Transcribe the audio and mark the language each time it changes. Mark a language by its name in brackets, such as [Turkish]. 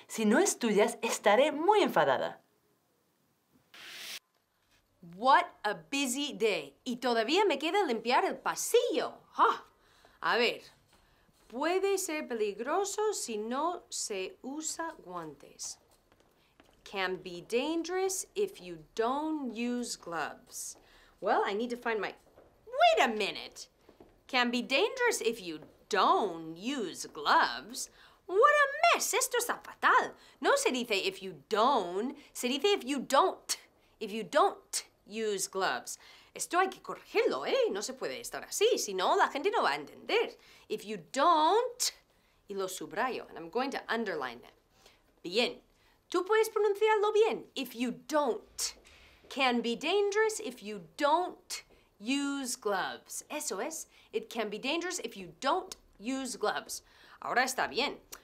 [Spanish] Si no estudias, estaré muy enfadada. [English] What a busy day. [Spanish] Y todavía me queda limpiar el pasillo. Oh. A ver, puede ser peligroso si no se usa guantes. [English] Can be dangerous if you don't use gloves. Well, I need to find my... Wait a minute! Can be dangerous if you don't use gloves? What a mess! [Spanish] Esto está fatal! No se dice [English] if you don't, [Spanish] se dice [English] if you don't. If you don't use gloves. [Spanish] Esto hay que corregirlo, ¿eh? No se puede estar así, si no la gente no va a entender. [English] If you don't... [Spanish] Y lo subrayo, [English] and I'm going to underline it. Bien. [Spanish] Tú puedes pronunciarlo bien. [English] If you don't. Can be dangerous if you don't use gloves. [Spanish] Eso es. [English] It can be dangerous if you don't use gloves. [Spanish] Ahora está bien.